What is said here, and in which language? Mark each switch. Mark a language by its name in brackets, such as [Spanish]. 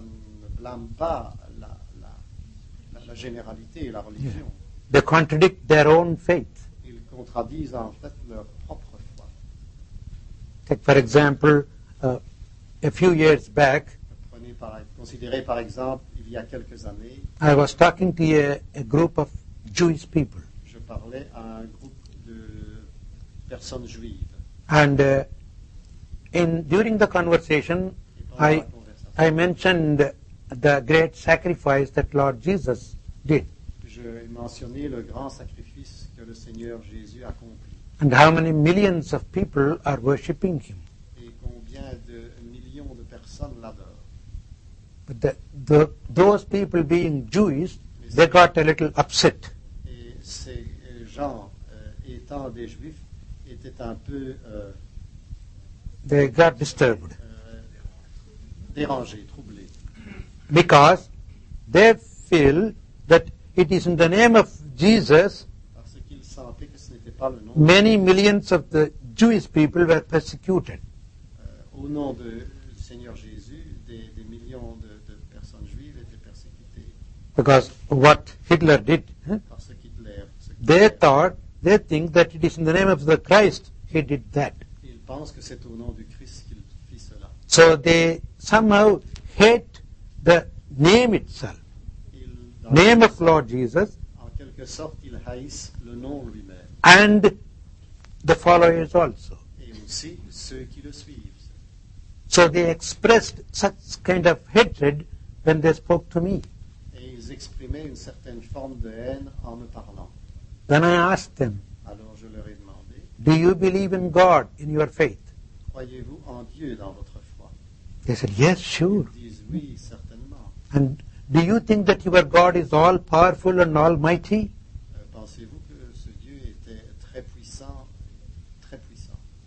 [French] Ça ne blâme pas la généralité et la religion. [English] Yeah. They contradict their own faith. [French] Ils contradisent en fait leur propre foi. [English] Take for example, a few years back, [French] considérez par exemple il y a quelques années, [English] I was talking to a group of Jewish people. [French] Je parlais à un groupe de personnes juives. [English] And during the conversation, I mentioned the great sacrifice that Lord Jesus did. [French] J'ai mentionné le grand sacrifice que le Seigneur Jésus a accompli. [English] And how many millions of people are worshipping him. [French] Et combien de millions de personnes l'adorent. [English] But those people being Jewish, they got a little upset. [French] Et ces gens étant des juifs étaient un peu [English] they got disturbed. [French] Dérangés, troublés. [English] Because they feel that it is in the name of Jesus. [French] Parce qu'ils sentaient que ce n'était pas le nom. [English] Many millions of the Jewish people were persecuted. [French] Au nom de Seigneur Jésus, des millions de personnes juives étaient persécutées. [English] Because what Hitler did, [French] parce qu'Hitler, [English] they think that it is in the name of the Christ he did that. [French] Ils pensent que c'est au nom du Christ qu'il fit cela. [English] So they somehow hate the name itself. Name of Lord Jesus. [French] En quelque sorte, ils haïssent le nom lui-même. [English] And the followers also. [French] Et aussi ceux qui le suivent. [English] So they expressed such kind of hatred when they spoke to me. [French] Et ils exprimaient une certaine forme de haine en me parlant. [English] Then I asked them, [French] alors je leur ai demandé, [English] do you believe in God in your faith? [French] Croyez-vous en Dieu dans votre foi? [English] They said, yes, sure. [French] Ils disent, oui, certainement. [English] And do you think that your God is all powerful and almighty? [French] Pensez-vous que ce Dieu était très puissant, très puissant?